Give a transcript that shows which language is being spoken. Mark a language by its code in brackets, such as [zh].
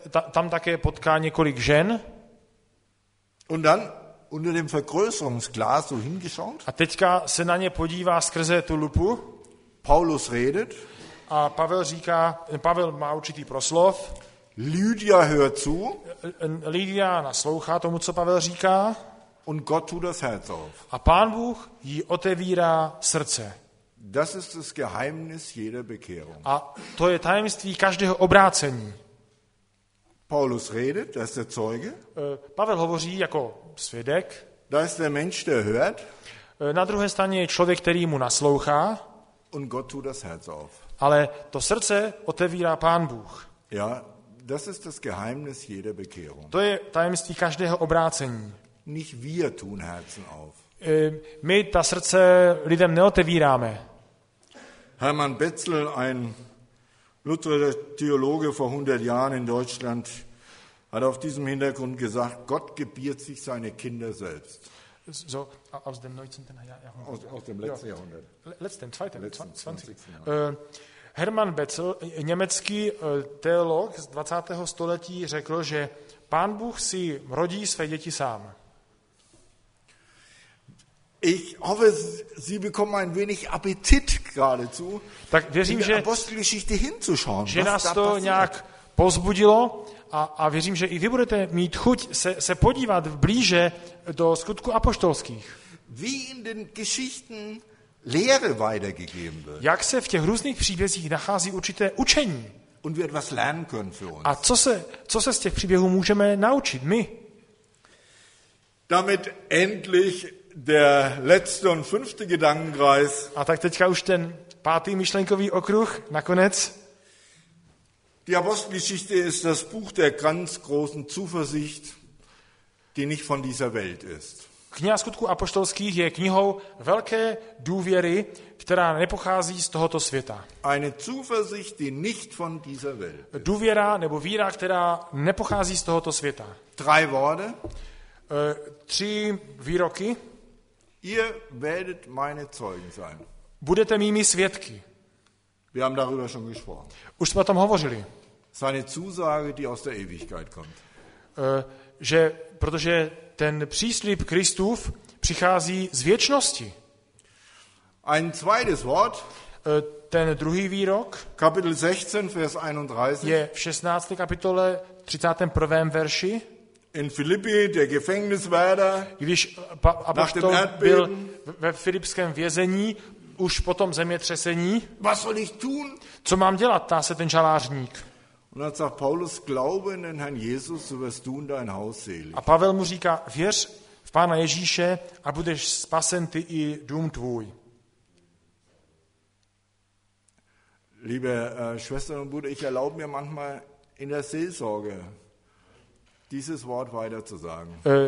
[cs] Tam také potká několik žen. [de] Und dann unter dem Vergrößerungsglas so hingeschaut. [cs] A teďka se na ně podívá skrze tu lupu. [de] Paulus redet. [cs] A Pavel říká, Pavel má určitý proslov. [de] Lydia hört zu. [cs] Lydia naslouchá tomu, co Pavel říká. [de] Und Gott tut das Herz auf. [cs] A Pán Bůh jí otevírá srdce. [de] Das ist das Geheimnis jeder Bekehrung. [cs] A to je tajemství každého obrácení. [de] Paulus redet, das ist der Zeuge. [cs] Pavel hovoří jako svědek. [de] Da ist der Mensch, der hört. [cs] Na druhé straně je člověk, který mu naslouchá. [de] Und Gott tut das Herz auf. [cs] Ale to srdce otevírá Pán Bůh. [de] Ja, das ist das Geheimnis jeder Bekehrung. [cs] To je tajemství každého obrácení. [de] Nicht wir tun Herzen auf. [cs] My ta srdce lidem neotevíráme. [de] Hermann Betzel, ein lutherischer Theologe vor 100 Jahren in Deutschland, hat auf diesem Hintergrund gesagt, Gott gebiert sich seine Kinder selbst. So, aus dem 19. Jahrhundert. Aus dem letzten Jahrhundert. Letzten, zweiten, 20. [cs] Hermann Betzel, německý teolog z 20. století, řekl, že Pán Bůh si rodí své děti sám. [de] Ich hoffe, Sie bekommen ein wenig Appetit geradezu. [cs] Tak věřím, [de] in die Apostelgeschichte hinzuschauen. [cs] Že nás to nějak povzbudilo A věřím, že i vy budete mít chuť se podívat blíže do skutku apoštolských. [de] Wie in den Geschichten Lehre weitergegeben wird. [cs] Jak se v těch různých příbězích nachází určité učení. [de] Und wir etwas lernen können für uns. [cs] A co se z těch příběhů můžeme naučit my? [de] Damit endlich der letzte und fünfte Gedankenkreis. [cs] A tak teďka už ten pátý myšlenkový okruh nakonec. [de] Die Apostelgeschichte ist das Buch der ganz großen Zuversicht, die nicht von dieser Welt ist. [cs] Kniha skutků apoštolských je knihou velké důvěry, která nepochází z tohoto světa. [de] Eine Zuversicht, die nicht von dieser Welt. [cs] Důvěra nebo víra, která nepochází z tohoto světa. [de] Drei Worte. [cs] Tři výroky. [de] Ihr werdet meine Zeugen sein. [cs] Budete mými svědky. [de] Wir haben darüber schon gesprochen. [cs] Už jsme o tom hovořili. [de] Seine Zusage, die aus der Ewigkeit kommt. [cs] Že protože ten příslib Kristův přichází z věčnosti. [de] Ein zweites Wort. [cs] Ten druhý výrok. [de] Kapitel 16, Vers 31. [cs] Je v 16. kapitole 31. verši. [de] In Philippi, der Gefängniswärter. [cs] Když apoštol byl ve filipském vězení, už potom zemětřesení. [de] Was soll ich tun? [cs] Co mám dělat, ptá se ten žalářník. [de] Und hat sagt Paulus, glaube in den Herrn Jesus, so wirst du und dein Haus selig. [cs] A Pavel mu říká, věř v Pána Ježíše a budeš spasen ty i dům tvůj. [de] Liebe Schwestern und Brüder, ich erlaube mir manchmal in der Seelsorge dieses Wort weiter zu sagen.